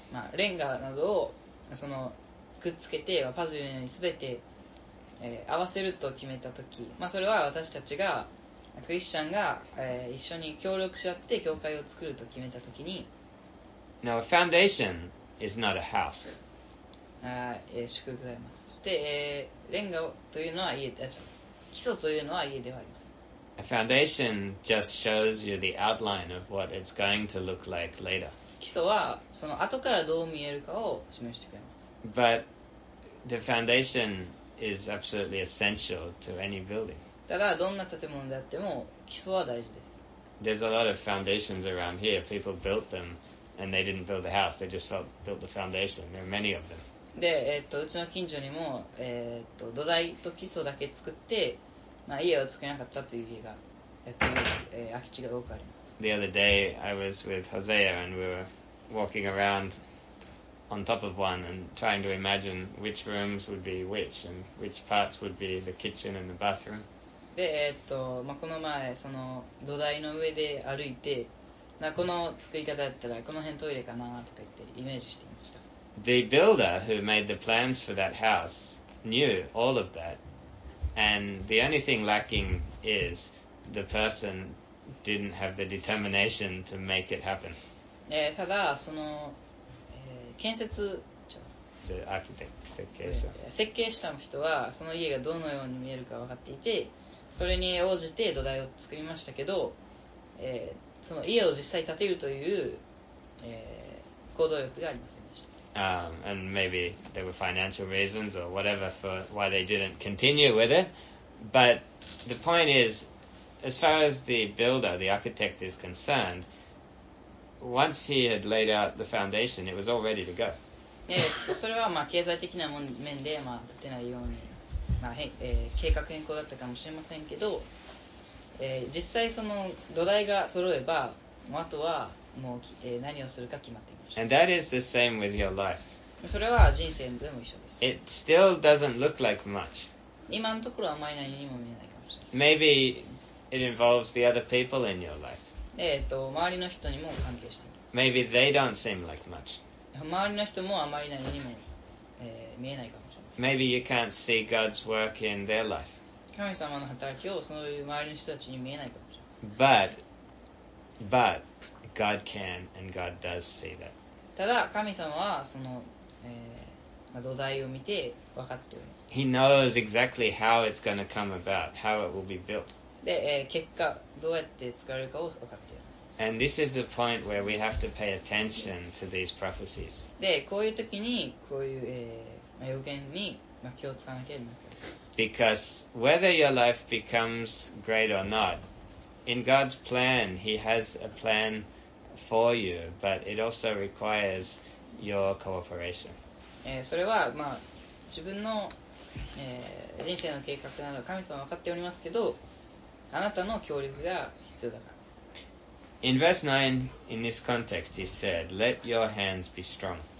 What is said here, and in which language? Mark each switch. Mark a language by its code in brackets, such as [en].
[ja] まあ、レンガなどをそのくっつけてパズルにすべて、合わせると決めたとき、まあ、それは私たちがクリスチャンが、一緒に協力し合って教会を作ると決めたときに [en] Now a foundation is not a house. [ja] 祝福があります。そして、レンガというのは家で、基礎というのは家ではあります。 [en] A foundation just shows you the outline of what it's going to look like later. [ja] 基礎はその後からどう見えるかを示してくれます。 [en] But the foundation is absolutely essential to any building. [ja] ただどんな建物であっても基礎は大事です。 [en] There's a lot of foundations around here. People built them and they didn't build the house. They just built the foundation. There are many of them. [ja] で、うちの近所にも、土台と基礎だけ作ってまあ、家を作れなかったという家が、空き地が多くあります。 [en] The other day I was with Hosea and we were walking around on top of one and trying to imagine which rooms would be which and which parts would be the kitchen and the bathroom. [ja] で、まあ、この前その土台の上で歩いて、まあ、この作り方だったらこの辺トイレかなとか言ってイメージしていました。 [en] The builder who made the plans for that house knew all of that. And the only thing lacking is the person didn't have the determination to make it happen. [ja] ただその、建設者、アーキテクト、設計者、設計した人はその家がどのように見えるか分かっていて、それに応じて土台を作りましたけど、その家を実際建てるという、行動力がありませんでした。 [en] And maybe there were financial reasons or whatever for why they didn't continue with it. But the point is, as far as the builder, the architect is concerned, once he had laid out the foundation, it was all ready to go. [ja] それはまあ経済的な面でまあ立てないように、まあ計画変更だったかもしれませんけど、実際その土台が揃えば、あとはもう何をするか決まっていました [en] 。And that is the same with your life. [ja] それは人生でも一緒です。 [en] It still doesn't look like much. [ja] 今のところはあまり何にも見えないかもしれません。 [en] Maybe it involves the other people in your life. [ja] 周りの人にも関係しています。 [en] Maybe they don't seem like much. [ja] 周りの人もあまり何にも、見えないかもしれません。 [en] Maybe you can't see God's work in their life. [ja] 神様の働きをその周りの人たちに見えないかもしれません。 [en] But God can and God does see that. [ja] ただ神様はその、土台を見て分かっております。 [en] He knows exactly how it's going to come about, how it will be built. [ja] で、結果どうやって作られるかを分かっています。 [en] And this is the point where we have to pay attention to these prophecies. [ja] で、こういう時にこういう、予言に、まあ、気をつかなければならないです。 [en] Because whether your life becomes great or not,In God's plan, He has a plan for you, but it also requires your cooperation. [ja] それは、まあ、自分の、人生の計画など神様は分かっておりますけど、あなたの協力が必要だからです。 [en] In verse 9, in this context, He said, Let your hands be strong.